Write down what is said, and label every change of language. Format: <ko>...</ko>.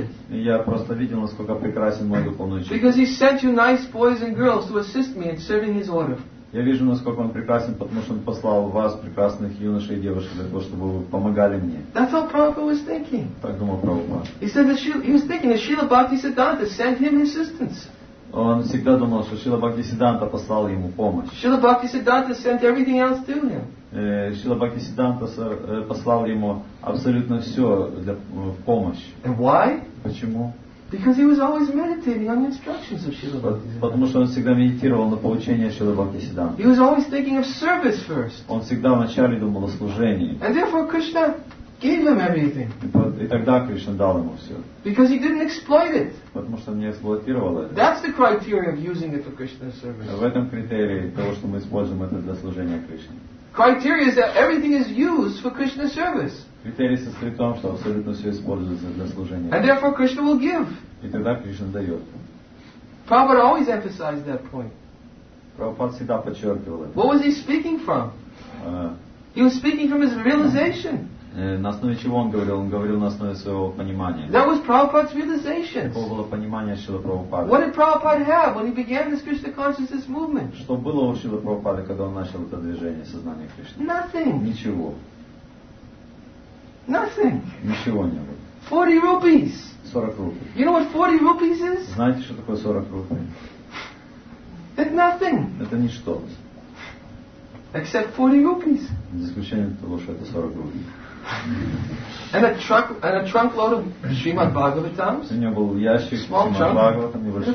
<ru>Я просто видел, насколько прекрасен мой духовный учитель.</ru> <en>Because he sent you nice boys and girls to assist me in serving his order.</en> <ru>Я вижу, насколько он прекрасен, потому что он послал вас, прекрасных юношей и девушек, для того, чтобы вы помогали мне.</ru> <en>That's what Prabhupada was thinking.</en> <ru>Так думал Прабхупад.</ru> <en>He said that he was thinking that Srila Bhaktisiddhanta sent him assistance.</en> <ru>Он всегда думал, что Шрила Бхактисиддханта послал ему помощь.</ru> <en>Шрила Бхактисиддханта sent everything else to him.</en> <ru>Шрила Бхактисиддханта послал ему абсолютно все для помощи.</ru> <en>And why?</en> <ru>Почему?</ru> <en>Because he was always meditating on the instructions of Шрила Бхактисиддханта.</en> <ru>Потому что он всегда медитировал на поучения Шрила Бхактисиддханта.</ru> <en>He was always thinking of service first.</en> <ru>Он всегда вначале думал о служении.</ru> <en>And therefore Krishna gave him everything.</en> <ru>И тогда Кришна дал ему все.</ru> <en>Because he didn't exploit it.</en> <ru>Потому что он не эксплуатировал это.</ru> <en>That's the criteria of using it for Krishna's service.</en> <ru>В этом критерии того, что мы используем это для служения Кришне.</ru> <en>Criteria is that everything is used for Krishna's service.</en> <ru>Критерий состоит в том, что абсолютно все используется для служения.</ru> <en>And therefore Krishna will give.</en> <ru>И тогда Кришна дает.</ru> <en>Prabhupada always emphasized that point.</en> <ru>Прабхупад всегда подчеркивал это.</ru> <en>What was he speaking from? He was speaking from his realization.</en> <ru>На основе чего он говорил? Он говорил на основе своего понимания.</ru> <en>That was Prabhupada's realization.</en> <ru>Какое было понимание Шрилы Прабхупады?</ru> <en>What did Prabhupada have when he began this Krishna consciousness movement?</en> <ru>Что было у Шрилы Прабхупады, когда он начал это движение сознания Кришны?</ru> <en>Nothing.</en> <ru>Ничего.</ru> <en>Nothing.</en> <ru>Ничего не было.</ru> <en>40 rupees.</en> <ru>40 рупий.</ru> <en>You know what 40 rupees is?</en> <ru>Знаете, что такое 40 рупий?</ru> <en>It's nothing.</en> <ru>Это ничто.</ru> <en>Except 40 rupees.</en> <ru>За исключением того, что это 40 рупий.</ru> <en>And a truck and a trunk load of Srimad Bhagavatams.</en> <ru>У него был ящик Srimad Bhagavatam, небольшой.</ru>